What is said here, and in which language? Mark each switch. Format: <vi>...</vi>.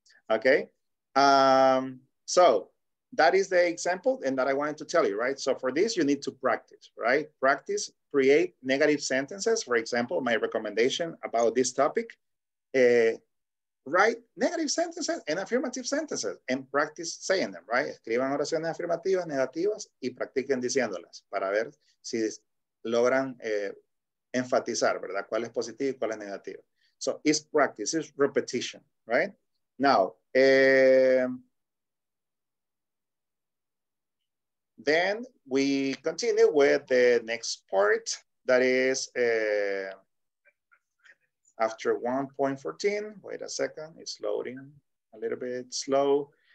<en>Okay, so that is the example and that I wanted to tell you, right? So for this, you need to practice, right? Practice, create negative sentences. For example, my recommendation about this topic, write negative sentences and affirmative sentences and practice saying them, right?</en> <es>Escriban oraciones afirmativas, negativas y practiquen diciéndolas para ver si logran enfatizar, ¿verdad? ¿Cuál es positivo y cuál es negativo?</es> <en>So it's practice, it's repetition, right? Now, then we continue with the next part that is after 1.14, wait a second, it's loading a little bit slow.</en>